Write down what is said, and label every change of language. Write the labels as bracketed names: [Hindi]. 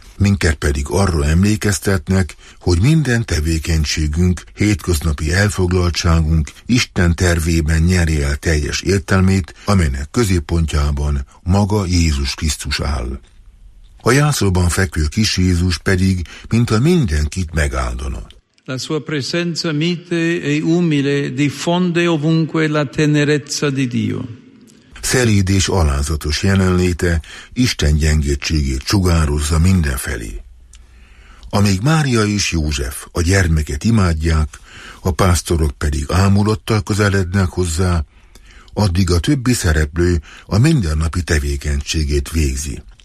[Hungarian] Minket pedig arra emlékeztetnek, hogy minden tevékenységünk, hétköznapi elfoglaltságunk Isten tervében nyeri el teljes értelmét, amelynek középpontjában maga Jézus Krisztus áll. A jászolban fekvő kis Jézus pedig, mintha mindenkit megáldana. [Italian] La sua presenza mite e umile diffonde ovunque la tenerezza di Dio. [Hungarian] Szelíd és alázatos jelenléte Isten gyengétségét sugározza mindenfelé. Amíg Mária és József a gyermeket imádják, a pásztorok pedig ámulattal közelednek hozzá, addig a többi szereplő a mindennapi tevékenységét végzi.